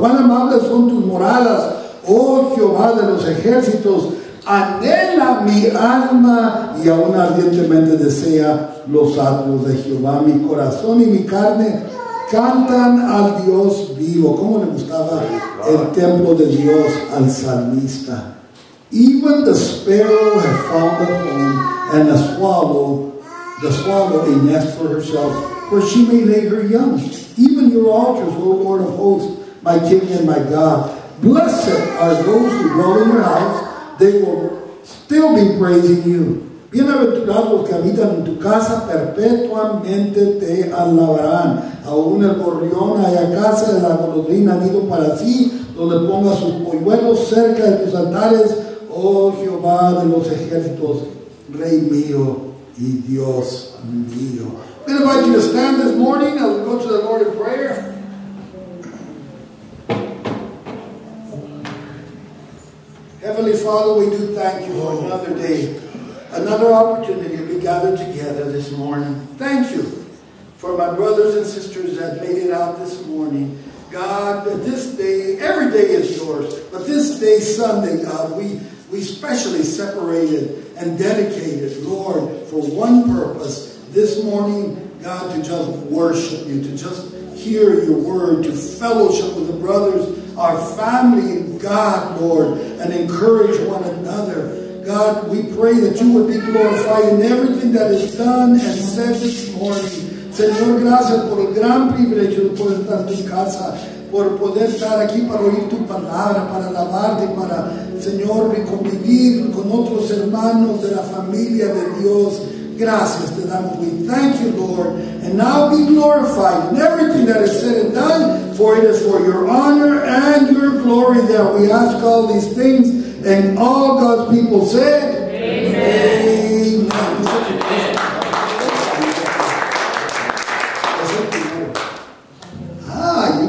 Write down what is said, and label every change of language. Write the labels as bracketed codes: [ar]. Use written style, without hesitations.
[es] ¿Cuán amables son tus moradas, oh Jehová de los ejércitos? Anhela mi alma y aún ardientemente desea los atrios de Jehová. Mi corazón y mi carne cantan al Dios vivo. ¿Cómo le gustaba el templo de Dios al salmista? [en] Even the sparrow has found a home, and the swallow a nest for herself, for she may lay her young. Even your altars, O Lord of hosts, my King and my God. Blessed are those who dwell in your house. They will still be praising you. [es] Bienaventurados los que habitan en tu casa, perpetuamente te alabarán. Aún el gorrión haya casa de la golondrina, nido para sí, donde ponga sus polluelos cerca de tus altares, oh Jehová de los ejércitos, Rey mío y Dios mío. [en] I'm going to invite you to stand this morning as we go to the Lord in prayer. Heavenly Father, we do thank you for another day, another opportunity to be gathered together this morning. Thank you for my brothers and sisters that made it out this morning. God, this day, every day is yours, but this day, Sunday, God, we specially separated and dedicated, Lord, for one purpose. This morning, God, to just worship you, to just hear your word, to fellowship with the brothers, our family, God, Lord, and encourage one another. God, we pray that you would be glorified in everything that is done and said this morning. [es] Señor, gracias por el gran privilegio de poder estar en tu casa, por poder estar aquí para oír tu palabra, para alabarte, para, Señor, convivir con otros hermanos de la familia de Dios. Gracias te damos. [en] We thank you, Lord. And now be glorified in everything that is said and done, for it is for your honor and your glory that we ask all these things. And all God's people said, Amen. Amen.